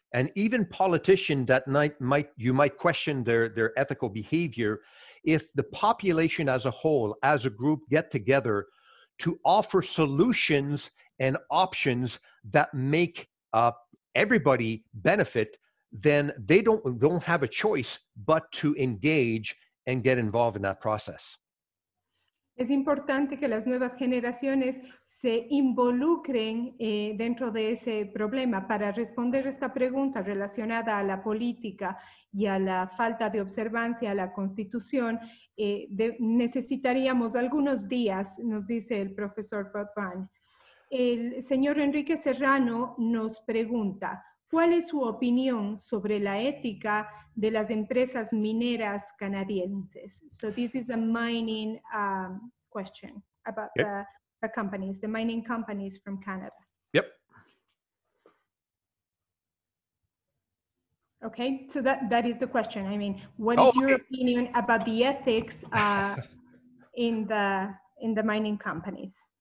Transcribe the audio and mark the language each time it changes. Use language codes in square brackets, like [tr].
[en] And even politicians that might you might question their ethical behavior, if the population as a whole, as a group, get together to offer solutions and options that make everybody benefit, then they don't have a choice but to engage and get involved in that process. [es] Es importante que las nuevas generaciones se involucren dentro de ese problema. Para responder esta pregunta relacionada a la política y a la falta de observancia a la Constitución, necesitaríamos algunos días, nos dice el profesor Botvan. El señor Enrique Serrano nos pregunta, ¿cuál es su opinión sobre la ética de las empresas mineras canadienses? [en] So this is a mining question about the companies, the mining companies from Canada. Yep. Okay, so that is the question. I mean, what is your opinion about the ethics in the mining companies?